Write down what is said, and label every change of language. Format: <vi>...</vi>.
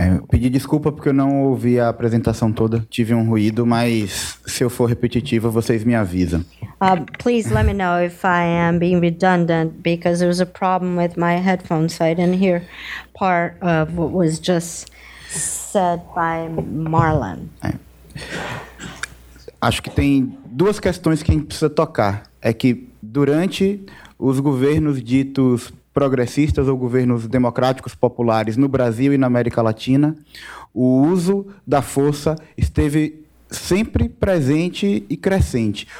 <pt>Pedi desculpa porque eu não ouvi a apresentação toda. Tive ruído, mas se eu for repetitiva, vocês me avisam.</pt> <en>Please let me know if I am being redundant, because there was a problem with my headphones, so I didn't hear part of what was just said by Marlon.</en> <pt>Acho que tem duas questões que a gente precisa tocar. É que durante os governos ditos progressistas ou governos democráticos populares no Brasil e na América Latina, o uso da força esteve sempre presente e crescente.</pt>